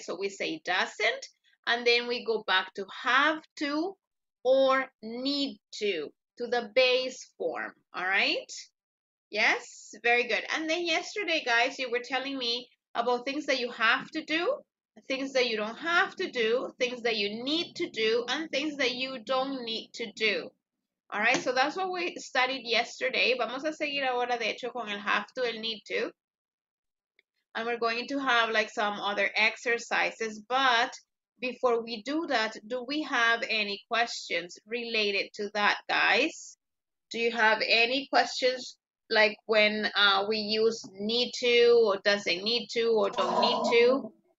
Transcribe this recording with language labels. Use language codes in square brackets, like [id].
[en] So we say doesn't, and then we go back to have to or need to the base form, all right? Yes, very good. And then yesterday, guys, you were telling me about things that you have to do, things that you don't have to do, things that you need to do, and things that you don't need to do. All right, so that's what we studied yesterday. [es] Vamos a seguir ahora, de hecho, con el have to, el need to. [en] And we're going to have like some other exercises. But before we do that, do we have any questions related to that, guys? Do you have any questions? Like when we use need to or doesn't need to or don't need to.